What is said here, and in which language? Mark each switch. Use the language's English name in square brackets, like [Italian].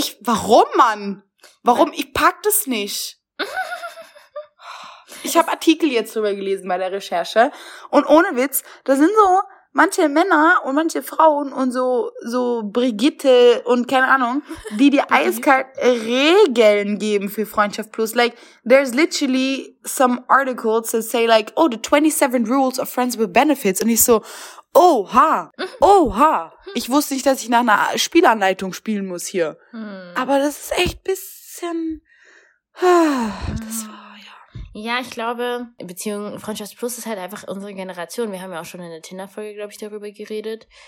[German] Warum, Mann? Warum? Ich pack das nicht. Ich habe Artikel jetzt drüber gelesen bei der Recherche. Und ohne Witz, da sind so manche Männer und manche Frauen und so Brigitte und keine Ahnung, die dir eiskalt Regeln geben für Freundschaft plus. [English] Like, there's literally some articles that say like, oh, the 27 rules of friends with benefits. [German] Und ich so, oha, oha. Ich wusste nicht, dass ich nach einer Spielanleitung spielen muss hier. Aber das ist echt ein bisschen, das war... Ja, ich glaube, Beziehung Freundschaft plus ist halt einfach unsere Generation. Wir haben ja auch schon in der Tinder-Folge, glaube ich, darüber geredet.